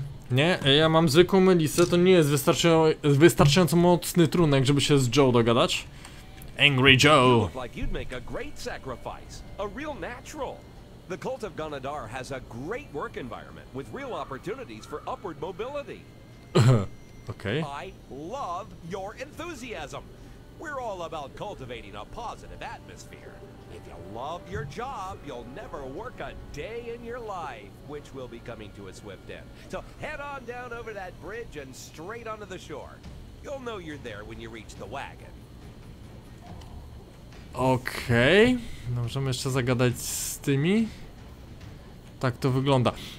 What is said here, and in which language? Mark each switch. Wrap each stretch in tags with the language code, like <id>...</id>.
<pl>Nie, ja mam zwykłą melisę, to nie jest wystarczająco mocny trunek, żeby się z Joe dogadać.</pl> <en>Angry Joe. Like you'd make a great sacrifice, a real natural. The cult of Ghanadar has a great work environment with real opportunities for upward mobility.</en> <pl>Okej.</pl> <en>I love your enthusiasm. We're all about cultivating a positive atmosphere. If you love your job, you'll never work a day in your life, which will be coming to a swift end. So head on down over that bridge and straight onto the shore. You'll know you're there when you reach the wagon.</en> <pl>Okej. Możemy jeszcze zagadać z tymi. tak to wygląda.</pl>